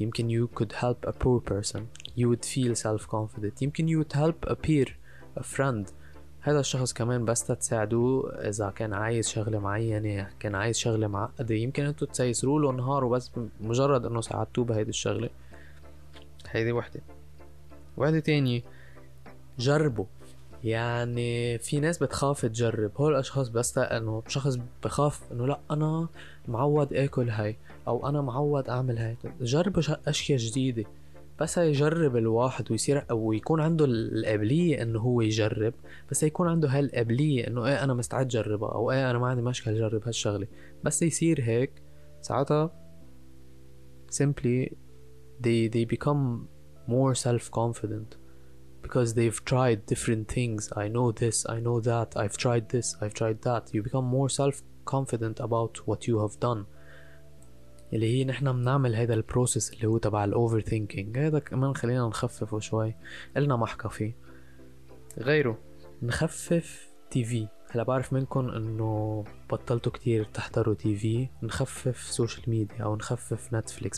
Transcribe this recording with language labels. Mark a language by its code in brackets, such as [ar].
[ar] يمكن [en] you could help a poor person you would feel self confident. [ar] يمكن [en] you would help a peer a friend، [ar] هذا الشخص كمان بس تساعدوه اذا كان عايز شغلة معينة، كان عايز شغلة معقدة، يمكن انتو تسيسروا له نهار وبس مجرد انه ساعدتوه بهيدي الشغلة. هيدي وحدة. وحدة تانية جربوا. يعني في ناس بتخاف تجرب، هول الاشخاص بس انه شخص بخاف انه لا انا معود اكل هاي او انا معود اعمل هاي، جربوا اشياء جديدة. بس هيجرب الواحد ويصير ويكون عنده القابلية انه هو يجرب، بس هيكون عنده هالقابلية انه ايه انا مستعد جربها، او ايه انا ما عندي مشكلة اجرب هالشغلة. بس يصير هيك ساعتها [en] simply they become more self-confident because they've tried different things. I know this, I know that, I've tried this, I've tried that. You become more self-confident about what you have done. [ar] اللي هي نحن بنعمل هذا البروسيس اللي هو تبع الاوفر ثينكينج، هذا كمان خلينا نخففه شوي، قلنا محكى فيه. غيره نخفف تي في. هلا بعرف منكم انه بطلتوا كتير تحضروا تي في، نخفف سوشيال ميديا او نخفف نتفليكس.